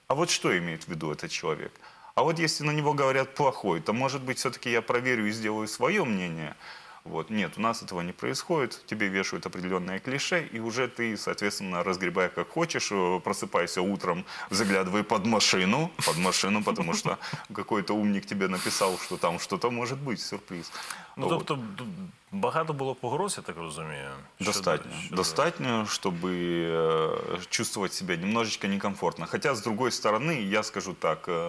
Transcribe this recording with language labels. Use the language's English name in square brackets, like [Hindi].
[Russian] А вот что имеет в виду этот человек? А вот если на него говорят плохой, то, может быть, все-таки я проверю и сделаю свое мнение. Вот. Нет, у нас этого не происходит, тебе вешают определенные клише, и уже ты, соответственно, разгребай как хочешь, просыпайся утром, заглядывай под машину, потому что какой-то умник тебе написал, что там что-то может быть, сюрприз. Ну, вот. [Ukrainian] Тобто, багато було погроз, я так розумію? Достатньо, щоб [Russian] чувствовать себя немножечко некомфортно. Хотя, с другой стороны, я скажу так...